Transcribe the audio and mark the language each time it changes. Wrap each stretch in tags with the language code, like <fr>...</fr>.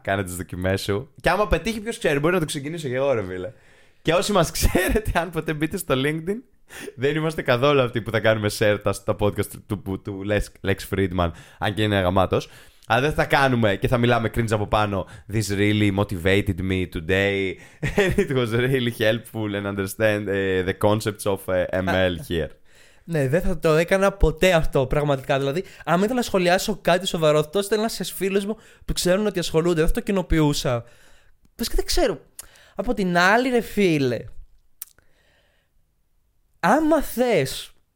<el>Κάνε τις δοκιμές σου. Και άμα πετύχει, ποιος ξέρει, μπορεί να το ξεκινήσω και εγώ, ρε φίλε. Και όσοι μας ξέρετε, αν ποτέ μπείτε στο LinkedIn. Δεν είμαστε καθόλου αυτοί που θα κάνουμε σέρτα στα podcast του Lex Friedman, αν και είναι αγαμάτος. Αλλά δεν θα κάνουμε και θα μιλάμε cringe από πάνω.</el> <en>This really motivated me today. It was really helpful and understand the concepts of ML here.</en> <el>Ναι, δεν θα το έκανα ποτέ αυτό, πραγματικά. Δηλαδή, αν ήθελα να σχολιάσω κάτι σοβαρό, θα το έστελνα σε φίλους μου που ξέρουν ότι ασχολούνται. Δεν θα το κοινοποιούσα. Πες και δεν ξέρω. Από την άλλη, ρε φίλε. Άμα θες.</el>